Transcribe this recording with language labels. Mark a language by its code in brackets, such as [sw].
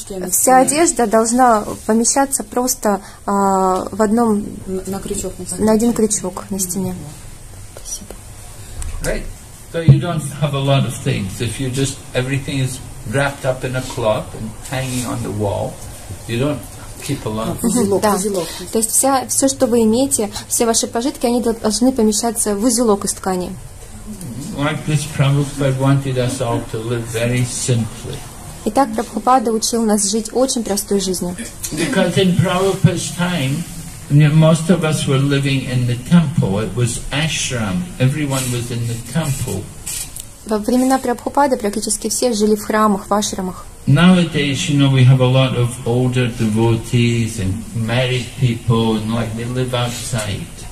[ru] Вся одежда должна помещаться просто в одном на крючок на один крючок на стене. [en] Right. So you don't have a lot of things. If you just everything is wrapped up in a cloth and hanging on the wall, you don't keep a lot. [ru] То есть все, что вы имеете, все ваши пожитки, они должны помещаться в узелок из ткани. [en] Like this, Prabhupada wanted us all to live very simply. [ru] Итак, Прабхупада учил нас жить очень простой жизнью. [en] Because in Prabhupada's time, most of us were living in the temple. It was ashram. Everyone was in the temple. [ru] Во времена Прабхупады практически все жили в храмах, в ашрамах. [en] Nowadays, you know, we have a lot of older devotees and married people, and like they live outside.